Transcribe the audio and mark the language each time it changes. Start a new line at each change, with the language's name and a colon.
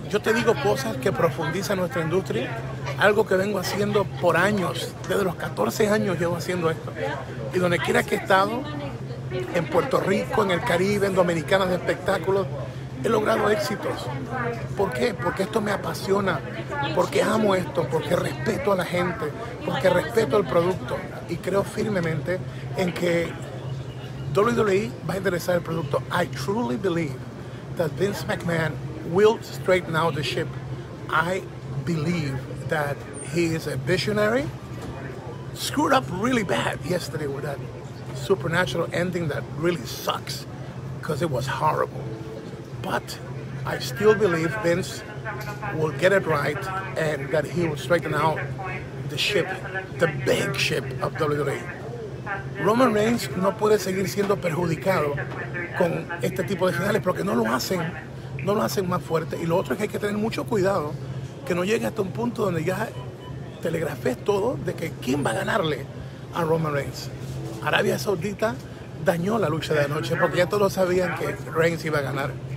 Spanish: Yo te digo cosas que profundizan nuestra industria, algo que vengo haciendo por años, desde los 14 años llevo haciendo esto, y donde quiera que he estado, en Puerto Rico, en el Caribe, en Dominicana de espectáculos, he logrado éxitos. ¿Por qué? Porque esto me apasiona, porque amo esto, porque respeto a la gente, porque respeto el producto, y creo firmemente en que WWE va a enderezar el producto.
English: I truly believe that Vince McMahon will straighten out the ship. I believe that he is a visionary. Screwed up really bad yesterday with that supernatural ending that really sucks because it was horrible. But I still believe Vince will get it right and that he will straighten out the ship, the big ship of WWE.
Spanish: Roman Reigns no puede seguir siendo perjudicado con este tipo de finales porque no lo hacen más fuerte. Y lo otro es que hay que tener mucho cuidado que no llegue hasta un punto donde ya telegrafes todo de que quién va a ganarle a Roman Reigns. Arabia Saudita dañó la lucha de anoche porque ya todos sabían que Reigns iba a ganar.